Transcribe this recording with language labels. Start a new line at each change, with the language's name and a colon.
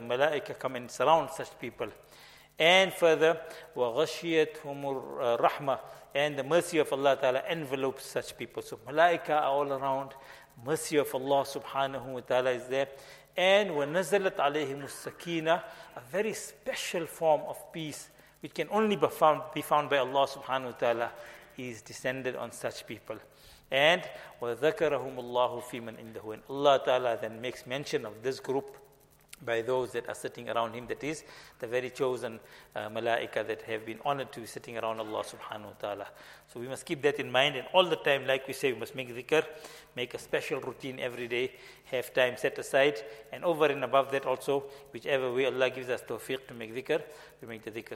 English: The malaika come and surround such people. And further,
Arabic: wa ghashiyatuhumur rahmah,
English: and the mercy of Allah ta'ala envelopes such people. So malaika are all around, mercy of Allah subhanahu wa ta'ala is there. And
Arabic: wa nazalat alayhimus sakina,
English: a very special form of peace which can only be found by Allah subhanahu wa ta'ala, is descended on such people.
Arabic: And وَذَكَرَهُمُ اللَّهُ فِي مَنْ إِنْدَهُ.
English: And Allah ta'ala then makes mention of this group by those that are sitting around him, that is the very chosen malaika that have been honored to be sitting around Allah subhanahu wa ta'ala. So we must keep that in mind, and all the time, like we say, we must make dhikr, make a special routine every day, have time set aside, and over and above that also, whichever way Allah gives us tawfiq to make dhikr, we make the dhikr.